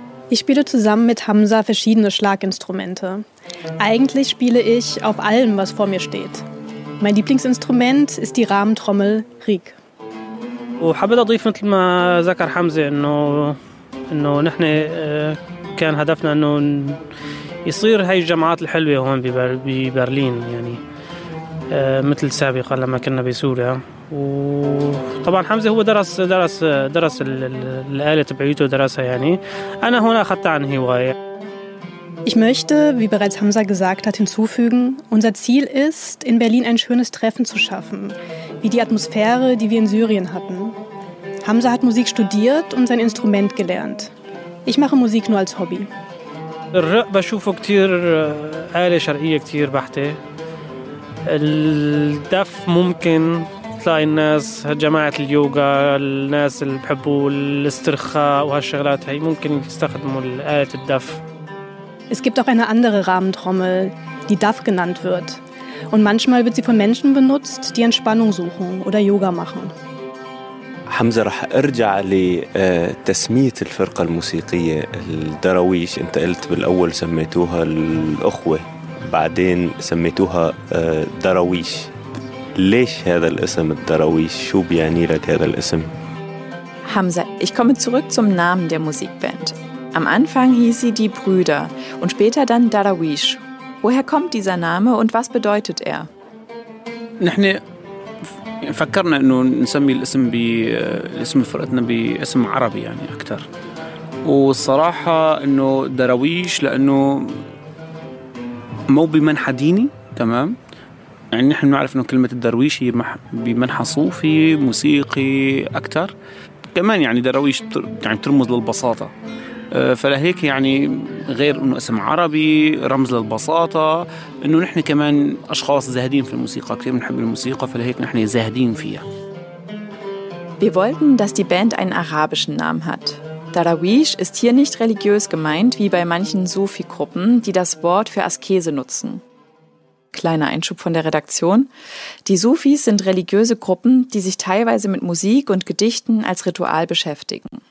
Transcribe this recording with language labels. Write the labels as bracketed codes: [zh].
[de] Ich spiele zusammen mit Hamza verschiedene Schlaginstrumente. Eigentlich spiele ich auf allem, was vor mir steht. Mein Lieblingsinstrument ist die Rahmentrommel Rieg. [ar] وحبيت أضيف مثل ما ذكر حمزة إنه نحن كان هدفنا إنه يصير هاي الجامعات الحلوة هون ببرلين يعني مثل سابقا لما كنا بسوريا وطبعا حمزة هو درس الآلة تبعيته درسها يعني أنا هنا أخذتها عن هواية [de] Ich möchte, wie bereits Hamza gesagt hat, hinzufügen, unser Ziel ist, in Berlin ein schönes Treffen zu schaffen, wie die Atmosphäre, die wir in Syrien hatten. Hamza hat Musik studiert und sein Instrument gelernt. Ich mache Musik nur als Hobby. [ar] الرق بشوفه كتير آلة شرقية كتير بحتة الدف ممكن تلاقي الناس جماعة اليوغا الناس اللي بحبوا الاسترخاء وهالشغلات هاي ممكن يستخدموا آلة الدف [de] Es gibt auch eine andere Rahmentrommel, die DAF genannt wird. Und manchmal wird sie von Menschen benutzt, die Entspannung suchen oder Yoga machen. [ar] حمزة رح أرجع لتسمية الفرقة الموسيقية الدراويش أنت قلت بالأول سميتوها الأخوة بعدين سميتوها دراويش ليش هذا الاسم الدراويش شو بيعني لك هذا الاسم [de] حمزة ich komme zurück zum Namen der Musikband am Anfang hieß sie die Brüder und später dann Darawish woher kommt dieser Name und was bedeutet er [ar] نحن فكرنا انه نسمي الاسم باسم فرقتنا باسم عربي يعني اكثر والصراحه انه درويش لانه مو بمنحى ديني تمام يعني نحن نعرف أنه كلمة الدرويش هي بمنحى صوفي موسيقي أكثر، كمان يعني درويش يعني ترمز للبساطة، فلهيك يعني غير أنه اسم عربي رمز للبساطة، أنه نحن كمان أشخاص زاهدين في الموسيقى، كثير بنحب الموسيقى، فلهيك نحن زاهدين فيها. [de] Wir wollten, dass die Band einen arabischen Namen hat. Darawish ist hier nicht religiös gemeint, wie bei manchen Sufi-Gruppen, die das Wort für Askese nutzen. Kleiner Einschub von der Redaktion. Die Sufis sind religiöse Gruppen, die sich teilweise mit Musik und Gedichten als Ritual beschäftigen.